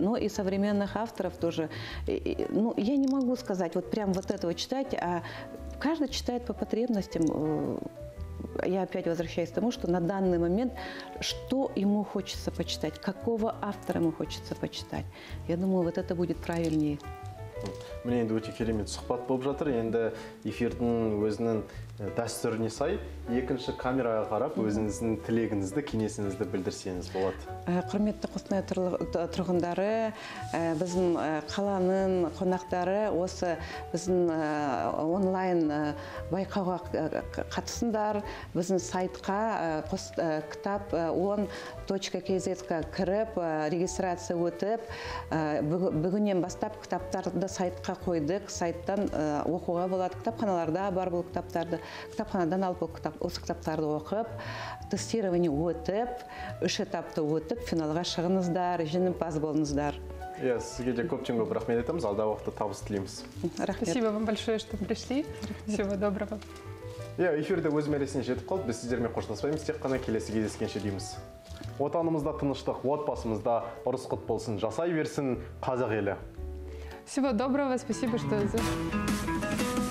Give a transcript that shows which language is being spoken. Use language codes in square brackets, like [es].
[ru] Но и современных авторов тоже. Ну, я не могу сказать, вот прям вот этого читать, а каждый читает по потребностям. Я опять возвращаюсь к тому, что на данный момент, что ему хочется почитать, какого автора ему хочется почитать. Я думаю, вот это будет правильнее. [kk] Мне енді өте керемет сұхбат болып жатыр. Енді эфирдің өзінің дәстүріне сай, екінші камераға қарап, өзіңіздің тілегіңізді, кеңесіңізді білдірсеңіз болады. Құрметті Қостанай тұрғындары, біздің қаланың қонақтары осы біздің онлайн байқауға қатысындар. Біздің сайтқа кітап 10.kz-ға кіріп, регистрация өтіп, бүгіннен бастап кітаптарды сайтқа қойдық, сайттан оқуға болады. Кітапханаларда бар бұл кітаптарды, кітапханадан алып осы кітаптарды оқып, тестирование өтіп, үш этапты өтіп, финалға шығыңыздар, жеңімпаз болыңыздар. Иә, сізге де көптен көп рахмет айтамыз, алдағы уақытта табыс тілейміз. [ru] Рахмет. Спасибо вам большое, что пришли. Всего доброго. [kk] Я эфирде өз мәресіне жетіп қалды. Біз сіздермен қоштаспаймыз, тек қана келесі кездескенше дейміз. Отанымызда тыныштық, отбасымызда ұрыс құт болсын, жасай берсін қазақ елі. [ru] Всего доброго, спасибо, что за...